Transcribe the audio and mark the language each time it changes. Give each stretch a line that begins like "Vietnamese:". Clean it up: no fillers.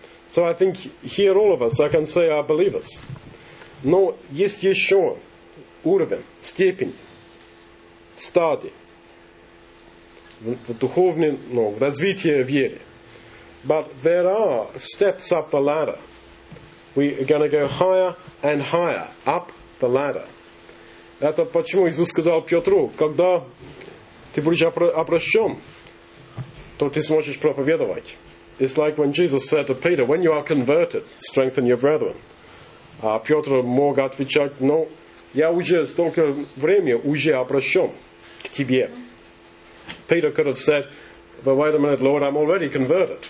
English: So I think here all of us, I can say, are believers.
Russian: Но есть еще уровень, степень, стадии в духовном, ну, развитии веры.
English: But there are steps up the ladder. We are going to go higher and higher up the ladder.
Russian: Это почему Иисус сказал Петру, когда ты будешь обращен, то ты сможешь проповедовать.
English: It's like when Jesus said to Peter, when you are converted, strengthen your brethren.
Russian: А Петр мог отвечать, ну, я уже столько времени уже обращен к тебе.
English: Peter could have said, but wait a minute, Lord, I'm already converted.